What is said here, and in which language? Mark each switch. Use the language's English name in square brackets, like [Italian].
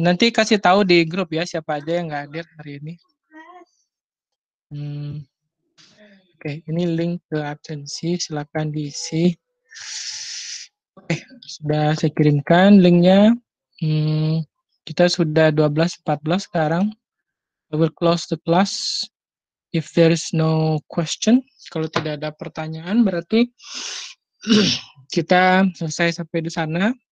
[Indonesian] Nanti kasih tahu di grup ya siapa aja yang nggak hadir hari ini. Oke, ini link ke absensi, silakan diisi. Oke, sudah saya kirimkan linknya. kita sudah 12:14 sekarang. [English] I will close the class if there is no question. [Indonesian] Kalau tidak ada pertanyaan, berarti kita selesai sampai di sana.